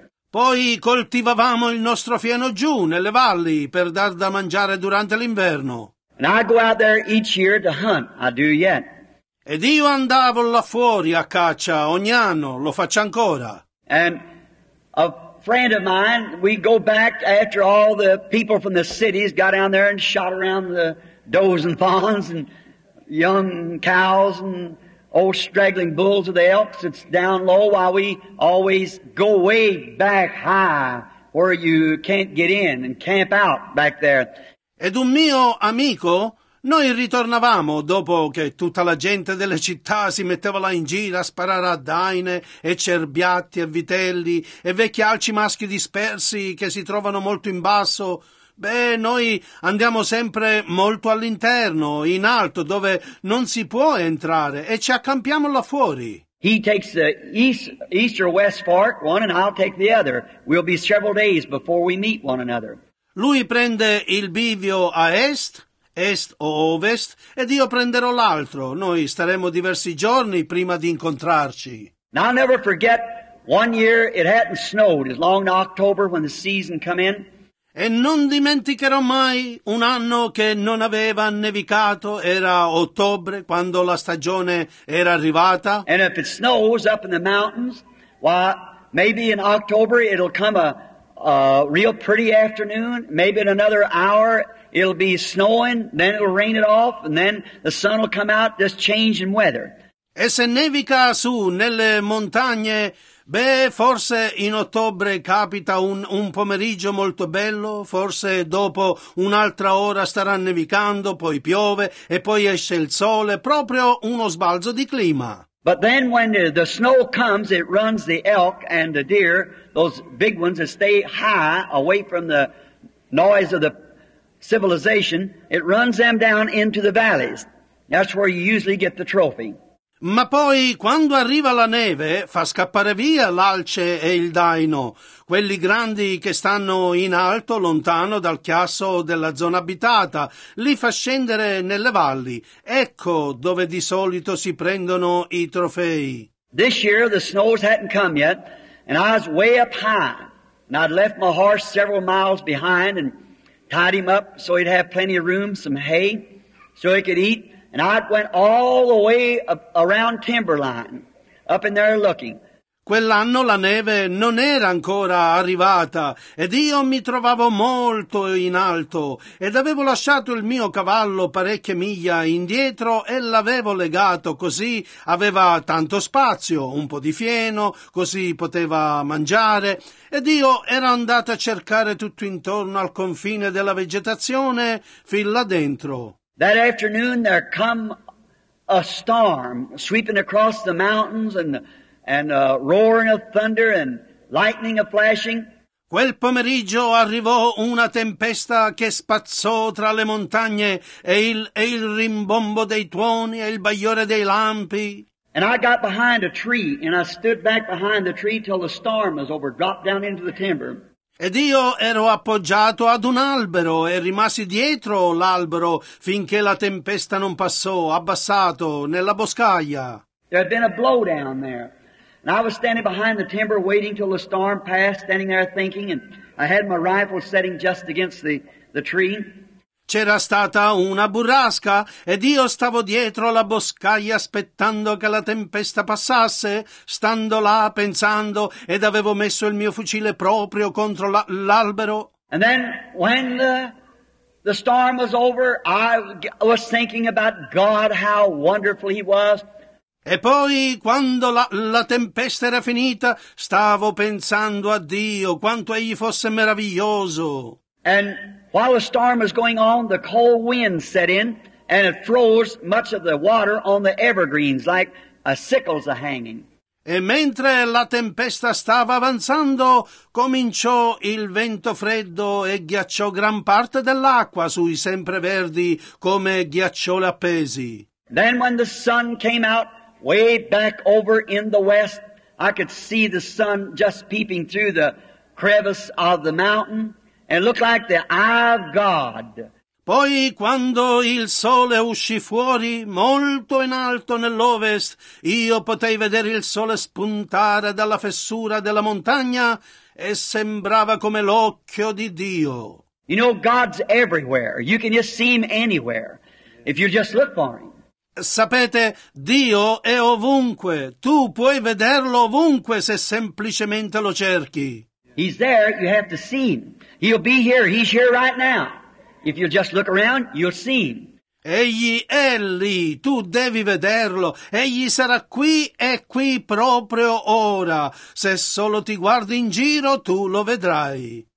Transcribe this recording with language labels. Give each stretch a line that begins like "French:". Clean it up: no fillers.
Italian: Poi coltivavamo il nostro fieno giù nelle valli per dar da mangiare durante l'inverno.
English: And I go out there each year to hunt. I do yet.
Italian: Ed io andavo là fuori a caccia ogni anno, lo faccio ancora.
English: And friend of mine, we go back after all the people from the cities got down there and shot around the does and fawns and young cows and old straggling bulls of the elks. It's down low while we always go way back high where you can't get in and camp out back there.
Italian: Ed un mio amico, noi ritornavamo dopo che tutta la gente delle città si metteva là in giro a sparare a daine e cerbiatti e vitelli e vecchi alci maschi dispersi che si trovano molto in basso. Beh, noi andiamo sempre molto all'interno, in alto, dove non si può entrare, e ci accampiamo là fuori.
English: He takes the east or west fork, one, and I'll take the other. We'll be several days before we meet one another.
Italian: Lui prende il bivio a est o ovest, ed io prenderò l'altro. Noi staremo diversi giorni prima di incontrarci.
English: Now I'll never forget one year it hadn't snowed as long in October when the season come in.
Italian: E non dimenticherò mai un anno che non aveva nevicato, era ottobre quando la stagione era arrivata.
English: And if it snows up in the mountains, why, maybe in October it'll come a real pretty afternoon, maybe in another hour it'll be snowing, then it'll rain it off, and then the sun will come out, just change in weather.
Italian: E se nevica su nelle montagne, beh, forse in ottobre capita un pomeriggio molto bello, forse dopo un'altra ora starà nevicando, poi piove e poi esce il sole, proprio uno sbalzo di clima.
English: But then when the snow comes, it runs the elk and the deer, those big ones that stay high away from the noise of the civilization, it runs them down into the valleys. That's where you usually get the trophy.
Italian: Ma poi, quando arriva la neve, fa scappare via l'alce e il daino, quelli grandi che stanno in alto, lontano dal chiasso della zona abitata, li fa scendere nelle valli. Ecco dove di solito si prendono i trofei.
English: This year the snows hadn't come yet, and I was way up high, and I'd left my horse several miles behind and tied him up so he'd have plenty of room, some hay, so he could eat. And I went all the way around timberline, up in there looking.
Italian: Quell'anno la neve non era ancora arrivata, ed io mi trovavo molto in alto, ed avevo lasciato il mio cavallo parecchie miglia indietro e l'avevo legato, così aveva tanto spazio, un po' di fieno, così poteva mangiare, ed io ero andato a cercare tutto intorno al confine della vegetazione, fin là dentro.
English: That afternoon there come a storm sweeping across the mountains and a roaring of thunder and lightning a flashing.
Italian: Quel pomeriggio arrivò una tempesta che spazzò tra le montagne e il rimbombo dei tuoni e il bagliore dei lampi.
English: And I got behind a tree and I stood back behind the tree till the storm was over, dropped down into the timber.
Italian: Ed io ero appoggiato ad un albero e rimasi dietro l'albero finché la tempesta non passò, abbassato nella boscaglia.
English: There had been a blow down there, and I was standing behind the timber waiting till the storm passed, standing there thinking, and I had my rifle setting just against the tree.
Italian: C'era stata una burrasca ed io stavo dietro la boscaglia aspettando che la tempesta passasse, stando là pensando, ed avevo messo il mio fucile proprio contro l'albero.
English: And then when the storm was over, I was thinking about God, how wonderful he was.
Italian: E poi, quando la tempesta era finita, stavo pensando a Dio, quanto egli fosse meraviglioso.
English: And while the storm was going on, the cold wind set in, and it froze much of the water on the evergreens, like a sickle's a-hanging.
Italian: E mentre la tempesta stava avanzando, cominciò il vento freddo e ghiacciò gran parte dell'acqua sui sempreverdi come ghiacciole appesi.
English: Then when the sun came out, way back over in the west, I could see the sun just peeping through the crevice of the mountain. And look like the eye of God.
Italian: Poi quando il sole uscì fuori molto in alto nell'ovest, io potei vedere il sole spuntare dalla fessura della montagna e sembrava come l'occhio di Dio.
English: You know, God's everywhere. You can just see him anywhere if you just look for him.
Italian: Sapete, Dio è ovunque. Tu puoi vederlo ovunque se semplicemente lo cerchi.
English: He's there, you have to see him. He'll be here, he's here right now. If you just look around, you'll see him.
Italian: Egli è lì, tu devi vederlo, egli sarà qui e qui proprio ora. Se solo ti guardi in giro, tu lo vedrai.